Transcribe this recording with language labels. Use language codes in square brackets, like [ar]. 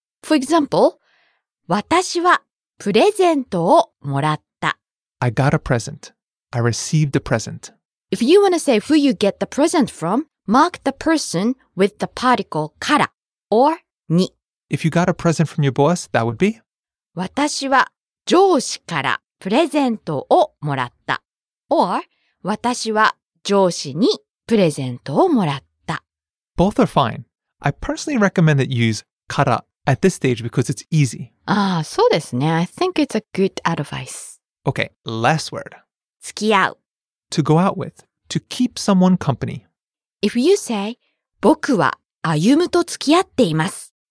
[en] For example, [ja] 私はプレゼントをもらった [en] I got a present. I received a present. If you want to say who you get the present from, mark the person with the particle から or に。 If you got a present from your boss, that would be? [ja] 私は上司からプレゼントをもらった。 Or, 私は上司にプレゼントをもらった。 [en] Both are fine. I personally recommend that you use から at this stage because it's easy. [ja] ああ、そうですね。 [en] I think it's a good advice. Okay, last word. [ja] 付き合う。 [en] To go out with. To keep someone company. If you say, [ja] 僕は歩と付き合っています。